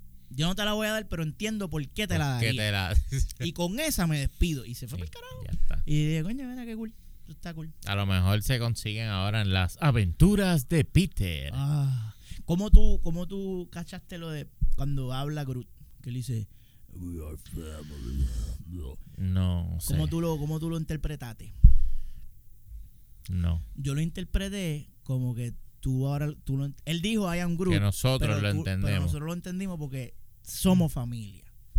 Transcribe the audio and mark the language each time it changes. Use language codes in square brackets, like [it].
[es] Yo no te la voy a dar, pero entiendo por qué te la daría. Y con esa me despido. Y se fue para el carajo. Ya está. Y dije, coño, mira qué cool. Está cool. A lo mejor se consiguen ahora en las aventuras de Peter. ¿Cómo tú cachaste lo de cuando habla Groot? Que le dice, [en] we are family. [es] No sé. ¿Cómo tú lo interpretaste? No. Yo lo interpreté como que tú él dijo, [en] I am Groot. [es] Que nosotros lo entendemos. Pero nosotros lo entendimos porque somos familia.